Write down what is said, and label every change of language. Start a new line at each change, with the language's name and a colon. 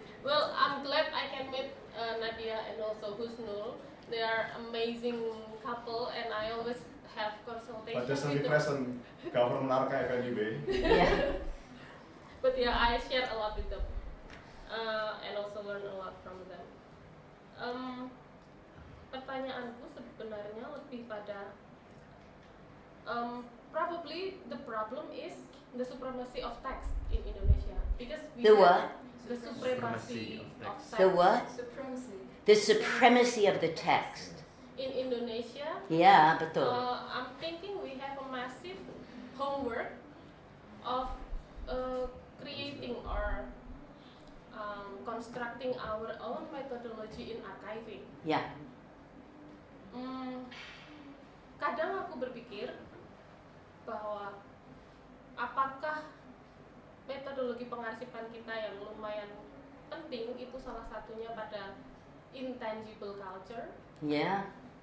English: Well, I'm glad I can meet Nadia and also Husnul. They are amazing couple, and I always have consultations. But there's a request on government archive anyway. Yeah. But yeah, I share a lot with them, and also learn a lot from them.
Indonesian: Pertanyaanku sebenarnya lebih pada.
English: Probably the problem is the supremacy of text in Indonesia. Because the what? The supremacy of text. The what? Supremacy. The supremacy of the text. In Indonesia. Yeah, betul. I'm thinking we have a massive homework of creating or constructing our own methodology in archiving. Yeah.
Indonesian: Kadang aku berpikir bahwa apakah metodologi pengarsipan kita yang lumayan penting itu salah satunya pada intangible culture.
English: Yeah.